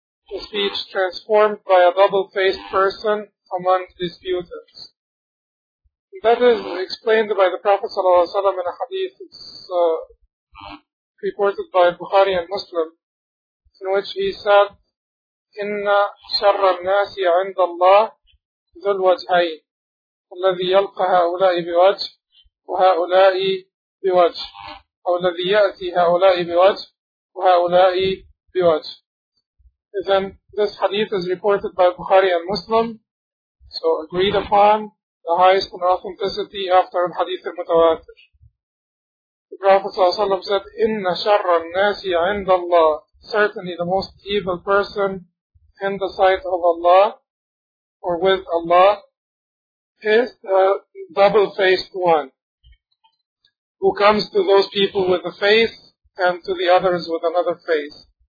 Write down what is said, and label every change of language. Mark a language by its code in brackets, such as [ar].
[en] The speech transformed by a double-faced person among disputants. That is explained by the Prophet [ar] صلى الله عليه وسلم [en] in a hadith reported by Bukhari and Muslim, in which he said, [ar] إِنَّ شَرَّ النَّاسِ عِنْدَ اللَّهِ ذُو الْوَجْهَيْنِ الَّذِي يَلْقَ هَؤُلَاءِ بِوَجْهِ وهؤلاء بوجه أو الذي يأتي هؤلاء بوجه وهؤلاء بوجه. [en] إذن this hadith is reported by Bukhari and Muslim, so agreed upon the highest in authenticity after the hadith المتواتر. The Prophet صلى الله عليه وسلم said, [ar] إِنَّ شَرَّ النَّاسِ عِنْدَ اللَّهِ, [en] certainly the most evil person in the sight of Allah or with Allah is the double-faced one, who comes to those people with a face and to the others with another face.